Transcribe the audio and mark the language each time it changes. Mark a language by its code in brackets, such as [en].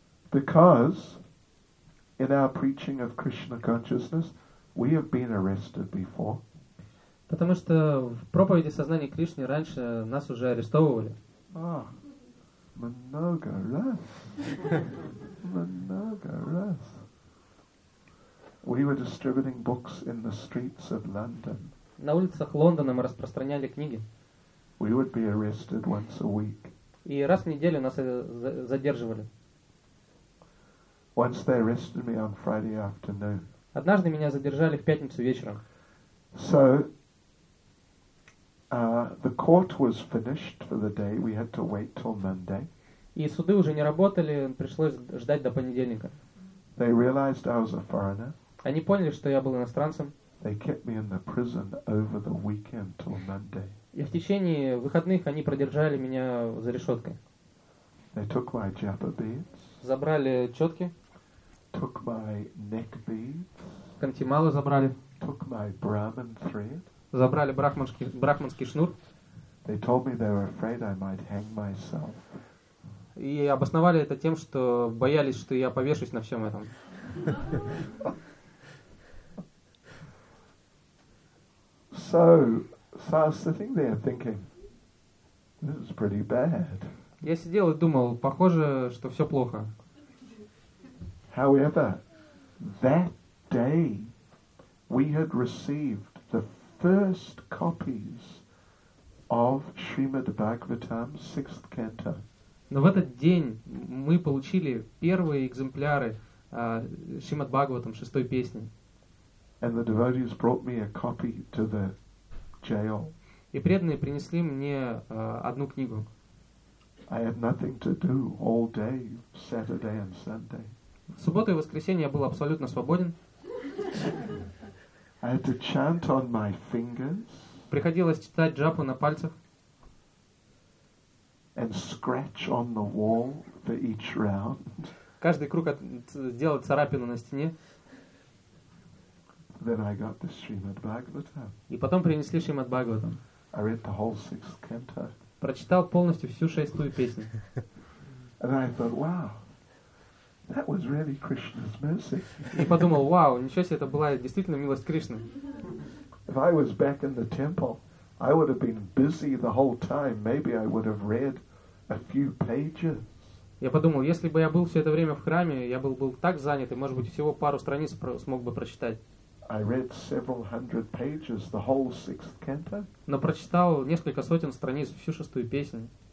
[en] Because in our preaching of Krishna consciousness, we have been arrested before. [ru] Потому что в проповеди сознания Кришны раньше нас уже арестовывали. Много раз. Много раз. [en] We were distributing books in the streets of London. [ru] На улицах Лондона мы распространяли книги. [en] We would be arrested once a week. [ru] И раз в неделю нас задерживали. [en] Once they arrested me on Friday afternoon. [ru] Однажды меня задержали в пятницу вечером. [en] So, the court was finished for the day. We had to wait till Monday. [ru] И суды уже не работали, пришлось ждать до понедельника. [en] They realized I was a foreigner. [ru] Они поняли, что я был иностранцем. [en] They kept me in the prison over the weekend till Monday. [ru] И в течение выходных они продержали меня за решеткой. [en] They took my japa beads. [ru] Забрали четки. [en] Took my neck beads. [ru] Кантималы забрали. [en] Took my brahman thread. [ru] Забрали брахманский шнур. [en] They told me they were afraid I might hang myself. [ru] И обосновали это тем, что боялись, что я повешусь на всем этом. [en] So I was sitting there thinking, this is pretty bad. [ru] Я сидел и думал, похоже, что все плохо. [en] However, that day we had received the first copies of Srimad Bhagavatam's sixth canto. [ru] Но в этот день мы получили первые экземпляры Шримад Бхагаватам, шестой песни. [en] And the devotees brought me a copy to the jail. [ru] И преданные принесли мне одну книгу. [en] I had nothing to do all day, Saturday and Sunday. [ru] В субботу и воскресенье я был абсолютно свободен. [en] I had to chant on my fingers. [ru] Приходилось читать джапу на пальцах. [en] And scratch on the wall for each round. [ru] Каждый круг сделать царапину на стене. [en] Then I got the Srimad Bhagavatam. [ru] И потом принесли Шримад Бхагаватам. [en] I read the whole sixth canto. [ru] Прочитал полностью всю шестую песню. [en] And I thought, wow, that was really Krishna's mercy. [ru] И подумал, вау, ничего себе, это была действительно милость Кришны. [en] If I was back in the temple, I would have been busy the whole time. Maybe I would have read a few pages. [ru] Я подумал, если бы я был все это время в храме, я был так занят, и, может быть, всего пару страниц смог бы прочитать. [en] I read several hundred pages, the whole sixth canto. [ru] Но прочитал несколько сотен страниц всю шестую песню.